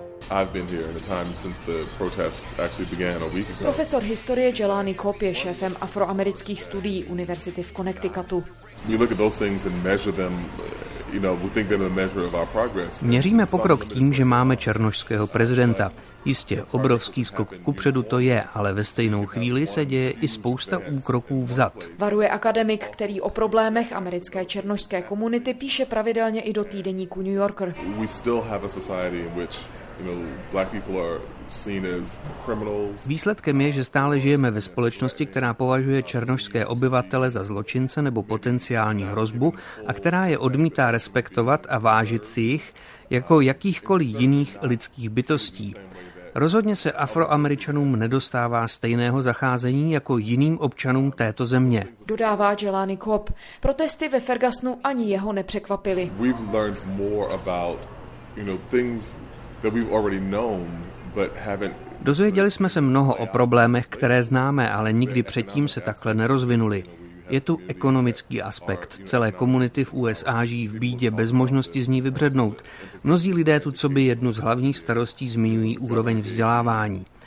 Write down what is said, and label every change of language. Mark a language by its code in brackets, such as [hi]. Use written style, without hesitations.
[en] I've been here in the time since the protest actually began a week ago. [cs] Profesor historie Jelani Kopp je šéfem afroamerických studií Univerzity v Connecticutu. [en] We look at those things and measure them. [cs] Měříme pokrok tím, že máme černošského prezidenta. Jistě, obrovský skok kupředu to je, ale ve stejnou chvíli se děje i spousta úkroků vzad. Varuje akademik, který o problémech americké černošské komunity píše pravidelně i do týdeníku New Yorker. [en] We still have a society in which, you know, black people are seen as criminals. [cs] Výsledkem je, že stále žijeme ve společnosti, která považuje černošské obyvatele za zločince nebo potenciální hrozbu a která je odmítá respektovat a vážit si jich jako jakýchkoliv jiných lidských bytostí. Rozhodně se Afroameričanům nedostává stejného zacházení jako jiným občanům této země. Dodává Jelani Kopp. Protesty ve Fergusonu ani jeho nepřekvapily. [en] We've learned more about, you know, things that we've already known. [cs] Dozvěděli jsme se mnoho o problémech, které známe, ale nikdy předtím se takhle nerozvinuli. Je tu ekonomický aspekt. Celé komunity v USA žijí v bídě bez možnosti z ní vybřednout. Mnozí lidé tu co by jednu z hlavních starostí zmiňují úroveň vzdělávání.